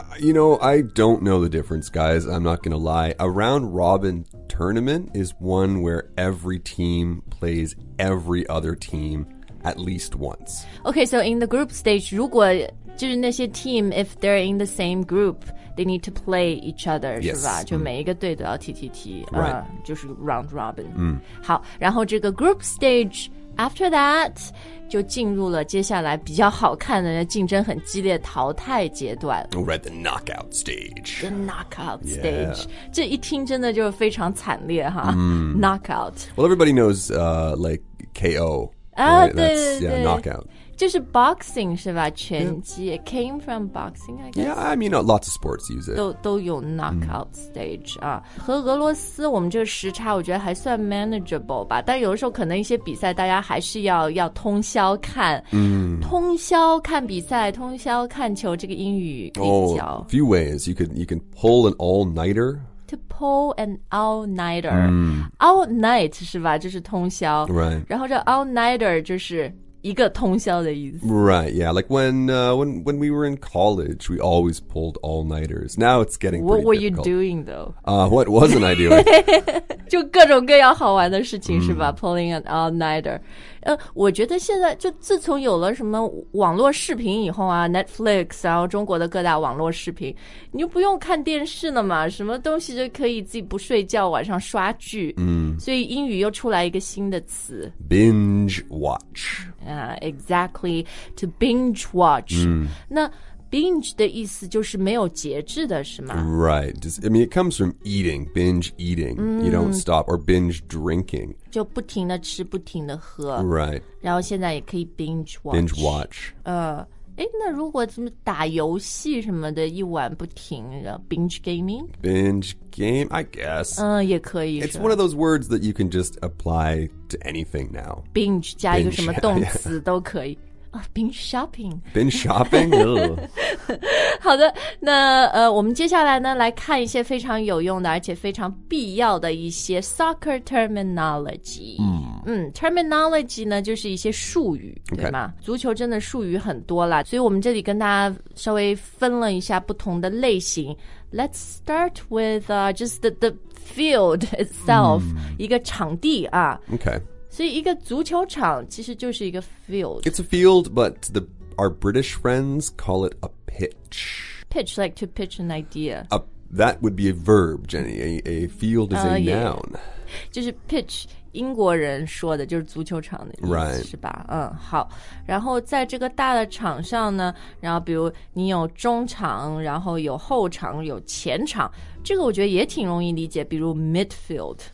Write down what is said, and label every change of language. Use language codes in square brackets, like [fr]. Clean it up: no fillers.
[en] you know I don't know the difference guys I'm not gonna lie a round robin tournament is one where every team plays every other teamAt least once. Okay, so in the group stage, [zh] 如果就是那些 [en] team, if they're in the same group, they need to play each other, yes, [zh] 是吧？就每一个队都要踢踢踢， [en] right. [zh] 就是 round robin. 好，然后这个 group stage [en] After that, [zh] 就进入了接下来比较好看的竞争很激烈淘汰阶段。 [en] Right, the knockout stage. The knockout stage.、Yeah. [zh] 这一听真的就是非常惨烈哈。 [en] Mm. Knockout. Well, everybody knows, like, KO. Ah, right? That's, yeah, knockout. [zh] 就是 boxing 是吧拳击、 [en] yeah. It came from boxing, I guess. Yeah, I mean, lots of sports use it. [zh] 都有 knockout、mm. [en] stage. [zh] 啊，和俄罗斯我们这个时差我觉得还算 manageable 吧，但有的时候可能一些比赛大家还是要通宵看、 [en] mm. [zh] 通宵看比赛，通宵看球，这个英语比较、 [en] oh, a few ways. You can pull an all-nighter. To pull an all-nighter、 mm. [zh] All night 是吧，就是通宵、 [en] right. [zh] 然后这 all-nighter 就是一个通宵的意思 [en] Right, yeah. Like when we were in college, we always pulled all-nighters. Now it's getting pretty difficult. What were you doing, though? What wasn't I doing? [zh] 就各种各样好玩的事情、mm. 是吧 [en] Pulling an all-nighter. [zh] 我觉得现在就自从有了什么网络视频以后啊 Netflix, 然后中国的各大网络视频你就不用看电视了嘛什么东西就可以自己不睡觉晚上刷剧、 [en] mm. [zh] 所以英语又出来一个新的词 [en] Binge watch. Exactly, to binge watch.、 Mm. [zh] 那 binge 的意思就是没有节制的是吗 [en] Right. I mean, it comes from eating, binge eating.、 Mm. You don't stop, or binge drinking. [zh] 就不停的吃不停的喝 [en] Right. [zh] 然后现在也可以 binge watch. [en] Binge watch. [zh] 那如果怎么打游戏什么的一晚不停的 binge gaming? [en] Binge game, I guess. [zh] 也可以。 [en] It's one of those words that you can just apply to anything now. [zh] Binge 加一个什么动词都可以。 [en] Binge shopping. Binge shopping? [zh] 好的，那我们接下来呢来看一些非常有用的而且非常必要的一些 soccer terminology. Terminology 呢就是一些术语、 [en] okay. [zh] 对吗足球真的术语很多啦所以我们这里跟大家稍微分了一下不同的类型 [en] Let's start with just the field itself、 [zh] mm. 一个场地啊 [en] OK [zh] 所以一个足球场其实就是一个 field. [en] It's a field, but our British friends call it a pitch. Pitch, like to pitch an idea. That would be a verb, Jenny. A field is a noun. [zh] 就是 pitch, 英国人说的就是足球场的意思、 [en] right. [zh] 是吧？好。然后在这个大的场上呢，然后比如你有中场，然后有后场，有前场，这个我觉得也挺容易理解，比如 midfield.